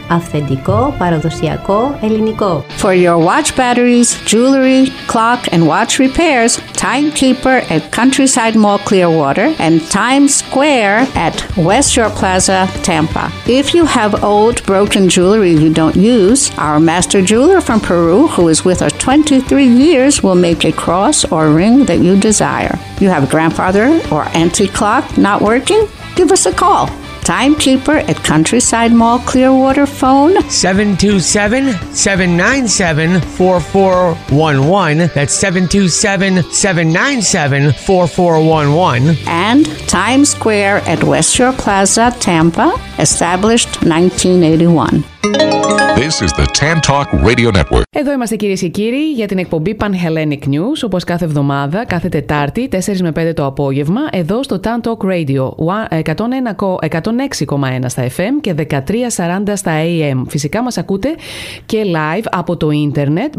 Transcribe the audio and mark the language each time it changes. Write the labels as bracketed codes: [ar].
[el] Αυθεντικό, παραδοσιακό, ελληνικό. [en] For your watch batteries, jewelry, clock and watch repairs, Timekeeper at Countryside Mall Clearwater and Times Square at West Shore Plaza, Tampa. If you have old broken jewelry you don't use, our master jeweler from Peru, who is with us 23 years, will make a cross or ring that you desire. You have a grandfather or antique clock not working? Give us a call. Timekeeper at Countryside Mall Clearwater, phone 727-797-4411. That's 727-797-4411. And Times Square at West Shore Plaza, Tampa, established 1981. This is the Tantalk Radio Network. [el] Εδώ είμαστε κυρίες και κύριοι για την εκπομπή Panhellenic News, όπως κάθε εβδομάδα, κάθε Τετάρτη, 4 με 5 το απόγευμα, εδώ στο Tantalk Radio, 106,1 στα FM και 1340 στα AM. Φυσικά μας ακούτε και live από το ίντερνετ.